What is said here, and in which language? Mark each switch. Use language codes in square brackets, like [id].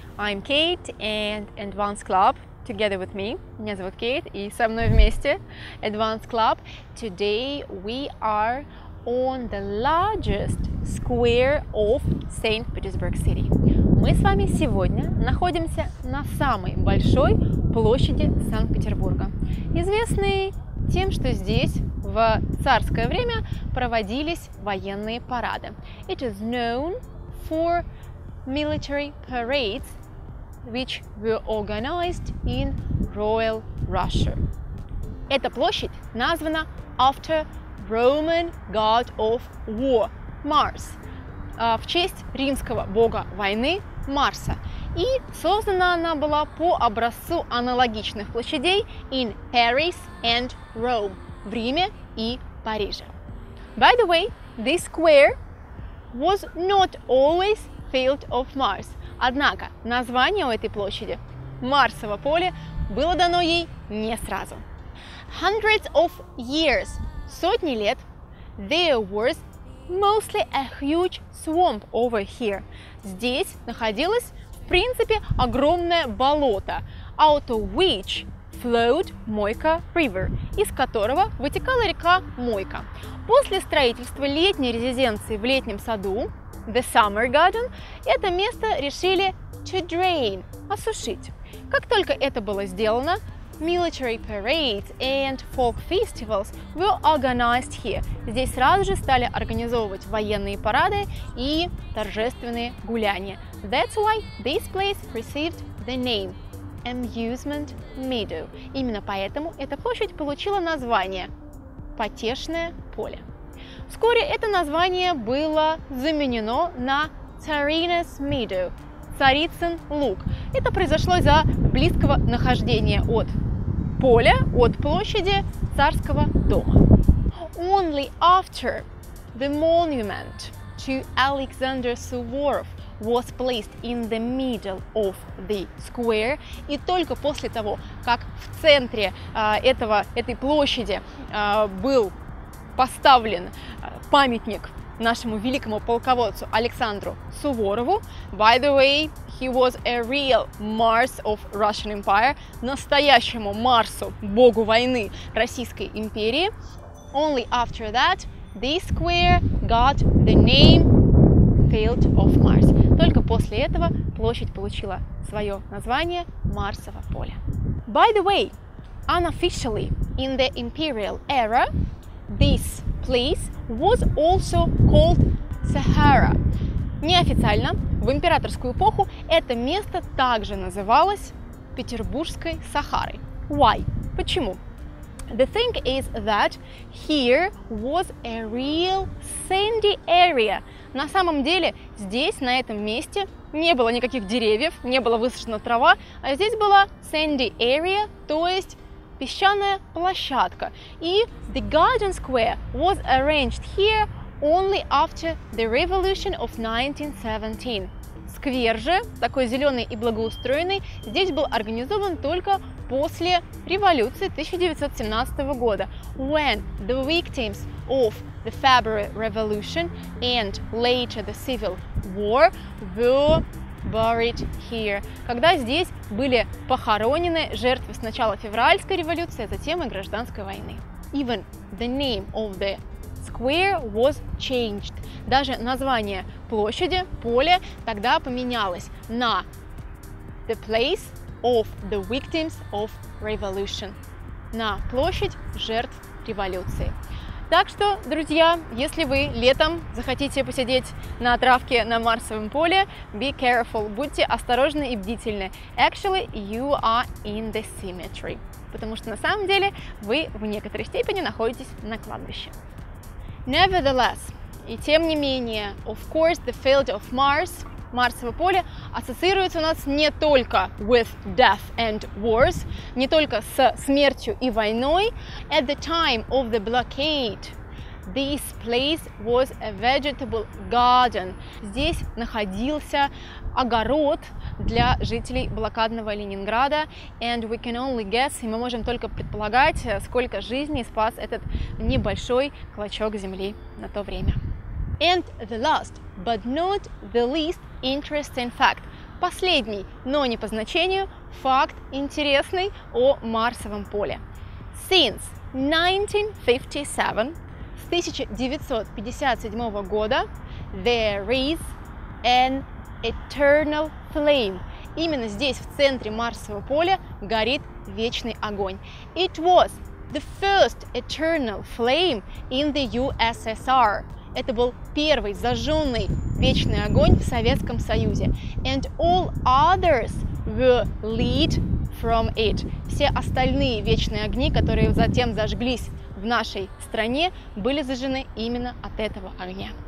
[en] I'm Kate and Advanced Club together with me. [ru] Меня зовут Кейт, и со мной вместе [en] Advanced Club. Today we are on the largest square of St. Petersburg City. [ru] Мы с вами сегодня находимся на самой большой площади Санкт-Петербурга, известной тем, что здесь в царское время проводились военные парады. [en] It is known for military parades which were organized in Royal Russia. [ru] Эта площадь названа [en] after Roman god of war, Mars, [ru] в честь римского бога войны Марса. И создана она была по образцу аналогичных площадей [en] in Paris and Rome, [ru] в Риме и Париже. [en] By the way, this square was not always filled of Mars. [ru] Однако название у этой площади, Марсово поле, было дано ей не сразу. [en] Hundreds of years, [ru] сотни лет, [en] there was mostly a huge swamp over here. [ru] Здесь находилось, в принципе, огромное болото, [en] out of which flowed Moyka River, [ru] из которого вытекала река Мойка. После строительства летней резиденции в летнем саду, [en] the summer garden, [ru] это место решили [en] to drain, [ru] осушить. Как только это было сделано, [en] military parades and folk festivals were organized here. [ru] Здесь сразу же стали организовывать военные парады и торжественные гуляния. [en] That's why this place received the name Amusement Meadow. [ru] Именно поэтому эта площадь получила название Потешное поле. Вскоре это название было заменено на Tsarina's Meadow, Царицын луг. Это произошло из-за близкого нахождения от поля, от площади царского дома. [en] Only after the monument to Alexander Suvorov was placed in the middle of the square, [ru] и только после того, как в центре этой площади был поставлен памятник нашему великому полководцу Александру Суворову. [en] By the way, he was a real Mars of Russian Empire, [ru] настоящему Марсу, богу войны Российской империи. [en] Only after that this square got the name Field of Mars. [ru] Только после этого площадь получила свое название Марсово поле. [en] By the way, unofficially in the imperial era, this place was also called Sahara. [ru] Неофициально, в императорскую эпоху, это место также называлось Петербургской Сахарой. [en] Why? [ru] Почему? [en] The thing is that here was a real sandy area. [ru] На самом деле, здесь, на этом месте, не было никаких деревьев, не было высажена трава, а здесь была [en] sandy area, [ru] то есть песчаная площадка. [en] И the garden square was arranged here only after the revolution of 1917. [ru] Сквер же, такой зеленый и благоустроенный, здесь был организован только после революции 1917 года. [en] When the victims of the February Revolution and later the Civil War were buried here. [ru] Когда здесь были похоронены жертвы сначала февральской революции, а затем и гражданской войны. [en] Even the name of the square was changed. [ru] Даже название площади, поле, тогда поменялось на [en] the place of the victims of revolution. [ru] На площадь жертв революции. Так что, друзья, если вы летом захотите посидеть на травке на Марсовом поле, [en] be careful, [ru] будьте осторожны и бдительны. [en] Actually, you are in the cemetery. [ru] Потому что на самом деле вы в некоторой степени находитесь на кладбище. [en] Nevertheless, [ru] и тем не менее, [en] of course, the field of Mars, [ru] Марсово поле, ассоциируется у нас не только [en] with death and wars, [ru] не только с смертью и войной. [en] At the time of the blockade, this place was a vegetable garden. [ru] Здесь находился огород для жителей блокадного Ленинграда. [en] And we can only guess, [ru] и мы можем только предполагать, сколько жизней спас этот небольшой клочок земли на то время. [en] And the last, but not the least interesting fact. [ru] Последний, но не по значению, факт интересный о Марсовом поле. [en] Since 1957, [ru] с 1957 года, [en] there is an eternal flame. [ru] Именно здесь, в центре Марсового поля, горит вечный огонь. [en] It was the first eternal flame in the USSR. [ru] Это был первый зажженный вечный огонь в Советском Союзе. [en] And all others were lit from it. [ru] Все остальные вечные огни, которые затем зажглись в нашей стране, были зажжены именно от этого огня.